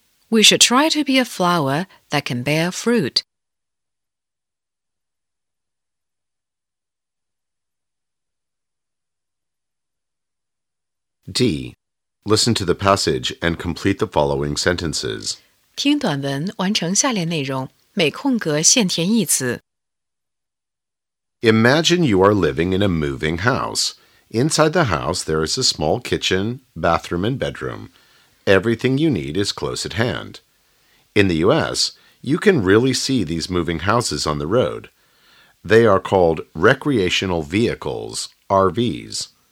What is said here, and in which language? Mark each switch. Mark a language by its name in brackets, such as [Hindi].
[English] We should try to be a flower that can bear fruit." D. Listen to the passage and complete the following sentences. [Chinese] 听短文完成下列内容，每空格限填一词。 [English] Imagine you are living in a moving house. Inside the house, there is a small kitchen, bathroom, and bedroom. Everything you need is close at hand. In the U.S., you can really see these moving houses on the road. They are called recreational vehicles, RVs.